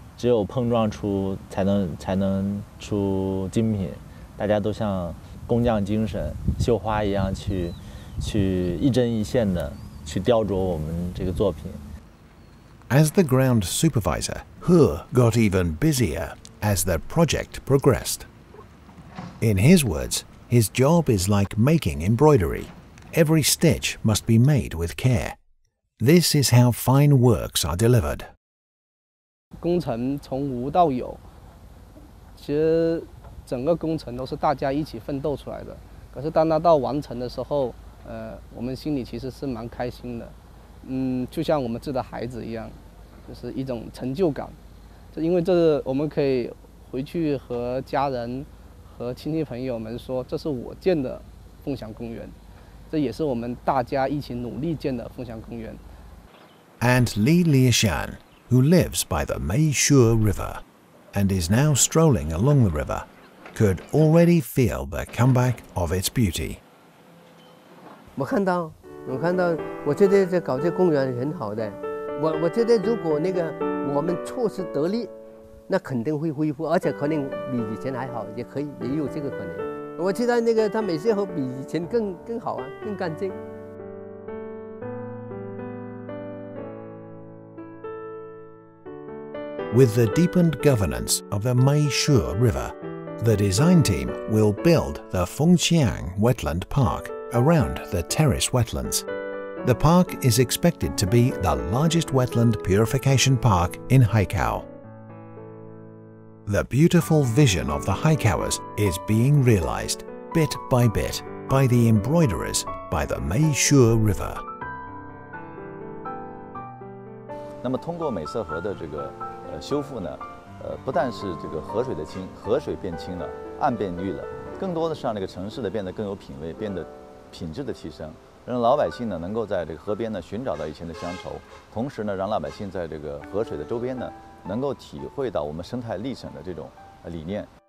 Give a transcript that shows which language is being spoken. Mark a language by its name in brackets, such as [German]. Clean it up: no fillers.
[Chinese] 只有碰撞出才能出精品，大家都像工匠精神、绣花一样去一针一线的去雕琢我们这个作品。 [English] As the ground supervisor, He got even busier as the project progressed. In his words, his job is like making embroidery. Every stitch must be made with care. This is how fine works are delivered. [Chinese] 工程从无到有，其实整个工程都是大家一起奋斗出来的。可是当它到完成的时候，我们心里其实是蛮开心的。就像我们自己的孩子一样，就是一种成就感。就因为这是我们可以回去和家人和亲戚朋友们说，这是我建的凤翔公园，这也是我们大家一起努力建的凤翔公园。 [English] And Li Lieshan, who lives by the Meishe River and is now strolling along the river, could already feel the comeback of its beauty. [Chinese] 我看到，我觉得这搞这公园很好的。我觉得如果那个我们措施得力，那肯定会恢复，而且可能比以前还好，也可以也有这个可能。我期待那个它美舍河比以前更好啊，更干净。 [English] With the deepened governance of the Meishe River, the design team will build the Fengqiang Wetland Park around the terrace wetlands. The park is expected to be the largest wetland purification park in Haikou. The beautiful vision of the Haikouers is being realized bit by bit by the embroiderers by the Meishe River. [Chinese] 那么通过美舍河的这个修复呢，不但是这个河水的清，河水变清了，岸变绿了，更多的是让这个城市的变得更有品味，变得品质的提升，让老百姓呢能够在这个河边呢寻找到以前的乡愁，同时呢让老百姓在这个河水的周边呢能够体会到我们生态历程的这种理念。